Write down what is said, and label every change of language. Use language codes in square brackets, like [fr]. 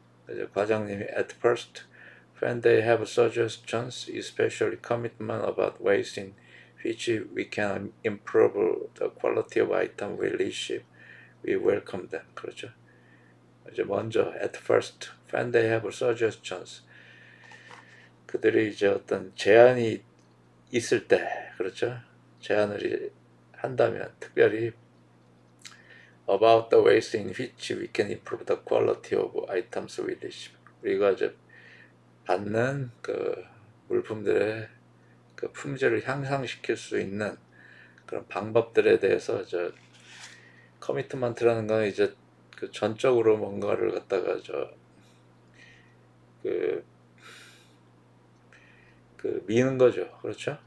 [ko] 이제 과장님이 [en] at first, when they have suggestions, especially commitment about ways in which we can improve the quality of item we receive, we welcome them. [ko] 그렇죠. 이제 먼저 [en] at first, when they have suggestions. [ko] 그들이 이제 어떤 제안이 있을 때, 그렇죠? 제안을 한다면, 특별히 [en] about the ways in which we can improve the quality of items we receive. [ko] 우리가 이제 받는 그 물품들의 그 품질을 향상시킬 수 있는 그런 방법들에 대해서 저 커미트먼트라는 건 이제 그 전적으로 뭔가를 갖다가 저 그 미는 거죠. 그렇죠?